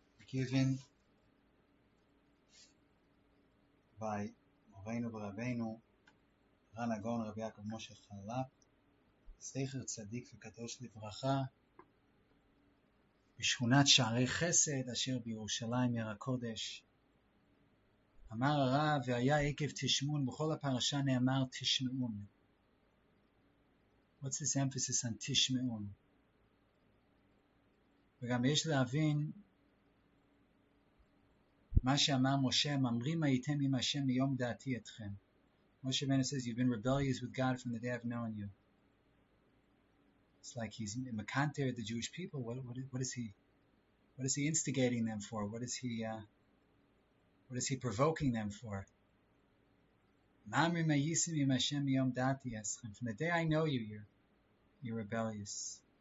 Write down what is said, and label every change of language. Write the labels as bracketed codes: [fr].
[en] Given by Moreno Barabeno, Rana Gon, Rabbi Yaakov Moshe Chalap, Secher Tzadik V'Kadosh Livracha, [he] בשכונת שערי חסד אשר בירושלים עיר הקודש. אמר הרב, והיה עקב תשמון, בכל הפרשה נאמר תשמעון. [en] What's this emphasis on תשמעון? [he] וגם יש להבין מה שאמר משה, ממרים הייתם עם השם מיום דעתי אתכם. [en] משה בנו says, you've been rebellious with God from the day I've known you. It's like he's mekanter the Jewish people. What is he instigating them for? What is he provoking them for? [he] Ma'amrim ha'yisim im Hashem miyom dati eschem. [en] From the day I know you, you're rebellious.